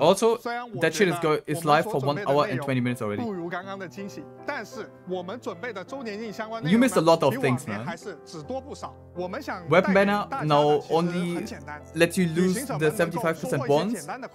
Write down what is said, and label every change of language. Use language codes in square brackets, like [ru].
[en] Also, that shit is live for 1 hour and 20 minutes already. [zh] 不如刚刚的惊喜，但是我们准备的周年庆相关内容比往年还是只多不少。我们想 [en] Web Banner now only lets you lose the 75% bonds.